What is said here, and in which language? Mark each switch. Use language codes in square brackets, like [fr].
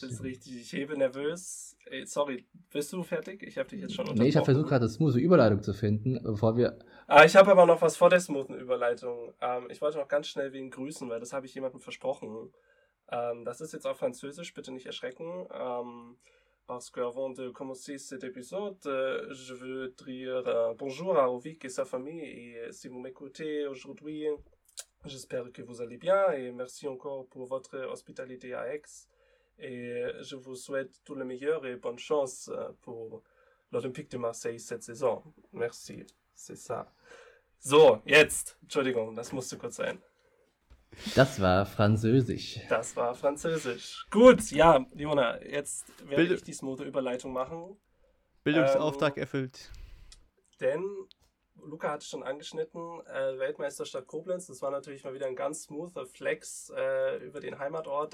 [de] Das ist richtig, ich hebe nervös. Ey, sorry, bist du fertig? Ich habe dich jetzt schon unterbrochen. Nee, ich habe versucht, gerade eine smooth Überleitung zu finden, bevor wir. Ah, ich habe aber noch was vor der smoothen Überleitung. Ich wollte noch ganz schnell wen grüßen, weil das habe ich jemandem versprochen. Das ist jetzt auf Französisch, bitte nicht erschrecken. [fr] Parce que avant de commencer cet épisode, je veux dire bonjour à Ovik et sa famille. Et si vous m'écoutez aujourd'hui, j'espère que vous allez bien. Et merci encore pour votre hospitalité à Aix. Et je vous souhaite tout le meilleur et bonne chance pour l'Olympique de Marseille cette saison. Merci, c'est ça. [de] So, jetzt. Entschuldigung, das musste kurz sein. Das war Französisch. Das war Französisch. Gut, ja, Jona, jetzt werde ich die smoothe Überleitung machen. Bildungsauftrag erfüllt. Denn, Luca hat es schon angeschnitten, Weltmeisterstadt Koblenz, das war natürlich mal wieder ein ganz smoother Flex über den Heimatort.